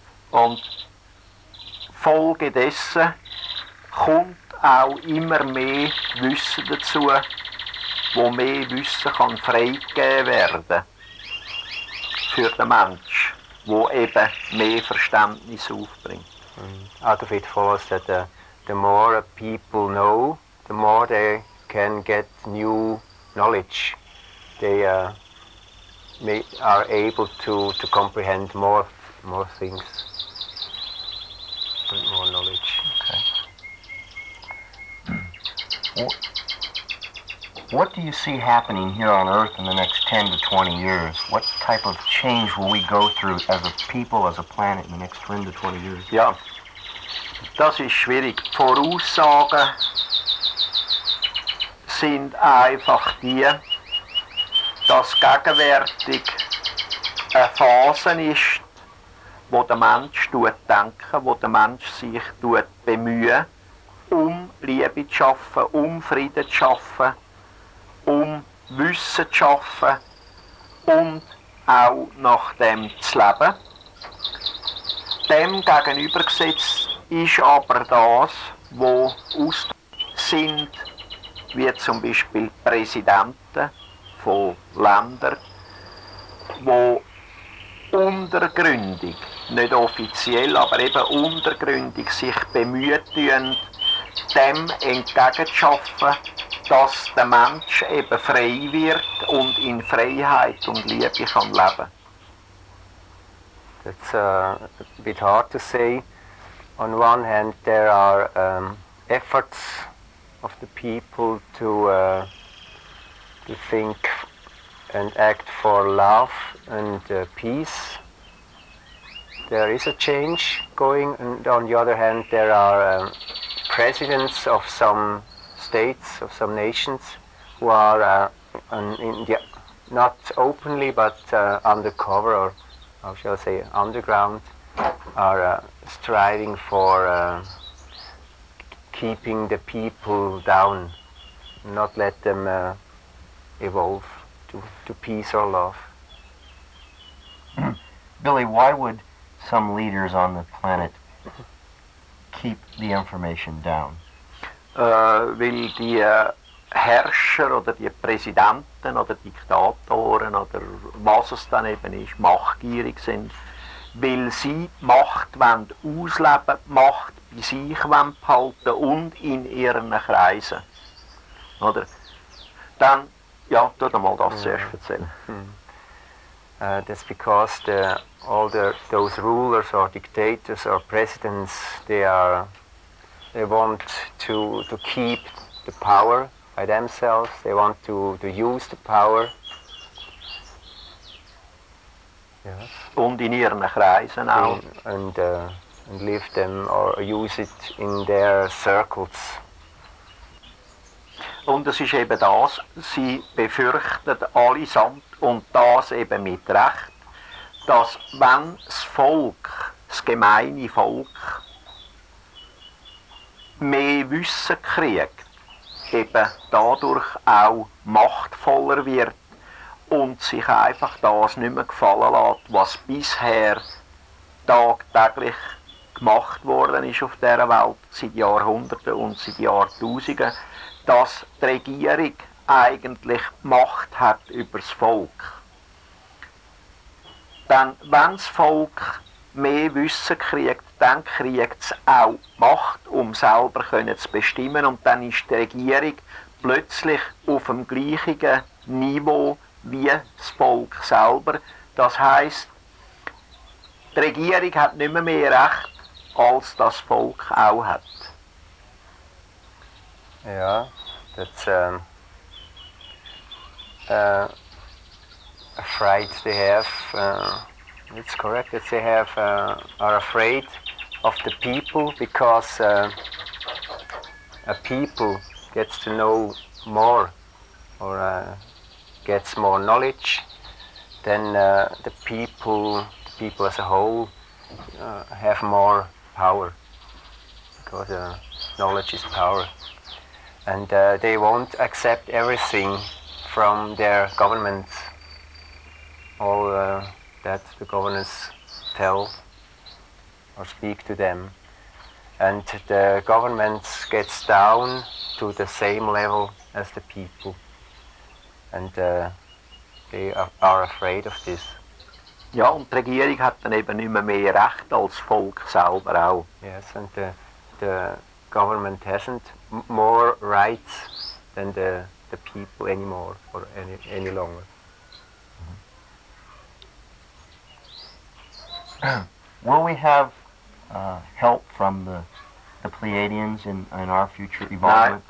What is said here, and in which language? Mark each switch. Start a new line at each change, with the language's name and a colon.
German: Und Folge dessen kommt auch immer mehr Wissen dazu, wo mehr Wissen kann freigegeben werden für den Mensch, wo eben mehr Verständnis aufbringt.
English: Out of it follows that the more people know, the more they can get new knowledge. They are able to comprehend more things, more knowledge. Okay. What do you see happening here on Earth in the next 10 to 20 years? What type of change will we go through as a people, as a planet, in the next 10 to 20 years? Yeah.
German: Das ist schwierig. Voraussagen sind einfach die, dass gegenwärtig eine Phase ist, wo der Mensch denkt, wo der Mensch sich bemüht, um Liebe zu schaffen, um Frieden zu schaffen, um Wissen zu schaffen und auch nach dem zu leben. Dem gegenübergesetzt ist aber das, wo ausdrücklich sind, wie zum Beispiel Präsidenten von Ländern, wo untergründig, nicht offiziell, aber eben untergründig sich bemüht tun, dem entgegenzuschaffen, dass der Mensch eben frei wird und in Freiheit und Liebe leben kann.
English: That's a bit hard to say. On one hand, there are efforts of the people to think and act for love and peace. There is a change going, and on the other hand, there are presidents of some states, of some nations, who are not openly, but undercover, or how shall I say, underground, are striving for keeping the people down, not let them evolve to peace or love. Billy, why would some leaders on the planet keep the information down?
German: Weil die Herrscher oder die Präsidenten oder Diktatoren oder was es dann eben ist, machtgierig sind. Weil sie Macht wollen ausleben, Macht bei sich wollen behalten und in ihren Kreisen. Oder? Dann, ja, tu doch mal das zuerst erzählen.
English: That's because those rulers or dictators or presidents, they want to keep the power by themselves, they want to use the power. Yes.
German: Und in ihren Kreisen auch.
English: And leave them or use it in their circles.
German: Und es ist eben das, sie befürchtet allesamt, und das eben mit Recht, dass wenn das Volk, das gemeine Volk, mehr Wissen kriegt, eben dadurch auch machtvoller wird und sich einfach das nicht mehr gefallen lässt, was bisher tagtäglich gemacht worden ist auf dieser Welt, seit Jahrhunderten und seit Jahrtausenden, dass die Regierung eigentlich Macht hat über das Volk. Denn wenn das Volk mehr Wissen kriegt, dann kriegt es auch Macht, um selber zu bestimmen. Und dann ist die Regierung plötzlich auf dem gleichen Niveau wie das Volk selber. Das heisst, die Regierung hat nicht mehr Recht, als das Volk auch hat. Ja, das
English: afraid they have, it's correct that they have, are afraid of the people, because a people gets to know more, or gets more knowledge, then the people as a whole have more power, because knowledge is power. And they won't accept everything from their government, all that the governors tell or speak to them. And the government gets down to the same level as the people. And they are afraid of this.
German: Ja, und die Regierung hat dann eben nicht mehr Recht als Volk selber auch.
English: Yes, and the government hasn't more rights than the people anymore, or any longer. Mm-hmm. Will we have help from the Pleiadians in our future evolution?